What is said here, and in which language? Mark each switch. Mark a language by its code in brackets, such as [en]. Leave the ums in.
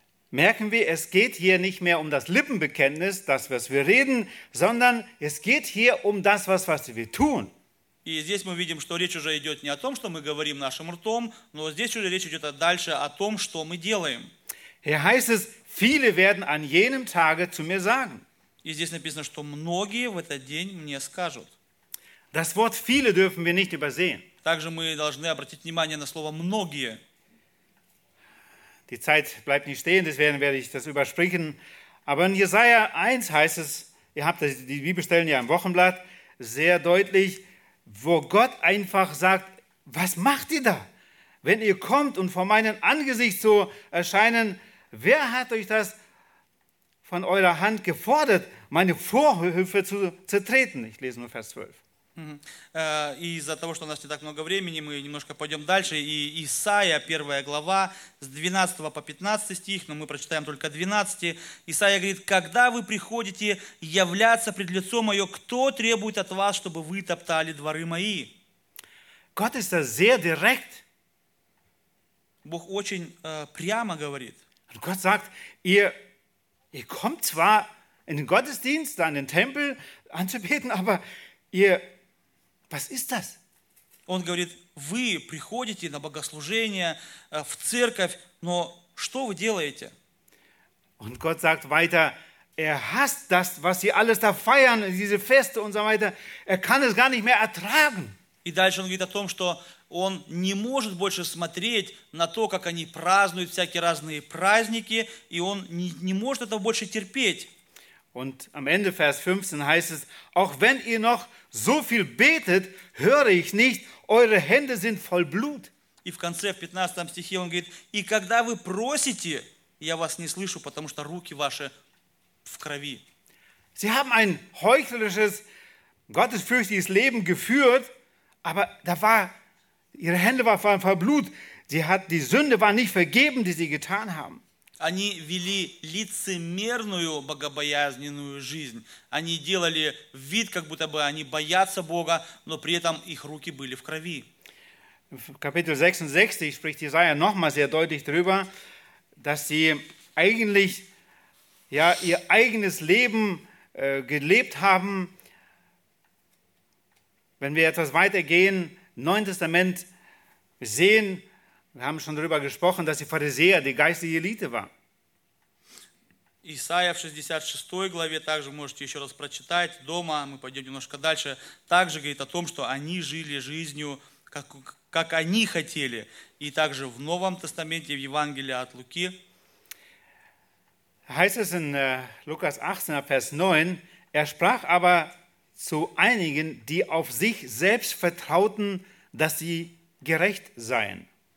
[de] merken wir, es geht hier nicht mehr um das Lippenbekenntnis, das, was wir reden, sondern es geht hier um das, was, was wir tun. [ru] И здесь мы видим, что речь уже идет не о том, что мы говорим нашим ртом, но здесь уже речь идет дальше о том, что мы делаем. [de] Heißt es, viele werden an jenem Tage zu mir sagen. [ru] И здесь написано, что многие в этот день мне скажут. [de] Das Wort viele dürfen wir nicht übersehen. [ru] Также мы должны обратить внимание на слово «многие». [de] Die Zeit bleibt nicht stehen, deswegen werde ich das überspringen. Aber in Jesaja 1 heißt es, ihr habt die Bibelstellen ja im Wochenblatt, sehr deutlich, wo Gott einfach sagt, was macht ihr da? Wenn ihr kommt und vor meinem Angesicht so erscheinen, wer hat euch das von eurer Hand gefordert, meine Vorhöfe zu zertreten? Ich lese nur Vers 12. Uh-huh. [ru] Uh, и из-за того, что у нас не так много времени, мы немножко пойдем дальше. И Исаия, первая глава, с 12 по 15 стих, но мы прочитаем только 12. Исаия говорит, «Когда вы приходите являться пред лицом мое, кто требует от вас, чтобы вы топтали дворы мои?» [de] sehr direkt. [ru] Бог очень äh, прямо говорит. [de] Und Gott sagt, ihr, ihr kommt zwar in den Gottesdienst, in den Tempel anzubeten, aber ihr Was ist das? [ru] Он говорит, вы приходите на богослужение, в церковь, но что вы делаете? [de] Und Gott sagt weiter, er hasst das, was sie alles da feiern, diese Feste und so weiter. Er kann es gar nicht mehr ertragen. [ru] И дальше он говорит о том, что он не может больше смотреть на то, как они празднуют всякие разные праздники, и он не, не может этого больше терпеть. [de] Und am Ende Vers 15 heißt es, auch wenn ihr noch so viel betet, höre ich nicht, eure Hände sind voll Blut. [ru] И в конце, в 15 стихе он говорит, и когда вы просите, я вас не слышу, потому что руки ваши в крови. [de] Sie haben ein heuchlerisches, gottesfürchtiges Leben geführt, aber da war, ihre Hände waren voll Blut. Sie hat, die Sünde war nicht vergeben, die sie getan haben. [ru] Они вели лицемерную богобоязненную жизнь. Они делали вид, как будто бы они боятся Бога, но при этом их руки были в крови. В капитале [de] 66 spricht Isaiah nochmal sehr deutlich darüber, dass sie eigentlich ja, ihr eigenes Leben äh, gelebt haben. Wenn wir etwas weitergehen, Neuen Testament sehen, Wir haben schon darüber gesprochen, dass die Pharisäer die geistliche Elite waren. [ru] Исайя в 66 главе, также можете еще раз прочитать, дома, мы пойдем немножко дальше, также говорит о том, что они жили жизнью, как, как они хотели. И также в Новом Тестаменте, в Евангелии от Луки. [de] Heißt es in Lukas 18, Vers 9, er sprach aber zu einigen, die auf sich selbst vertrauten, dass sie gerecht seien.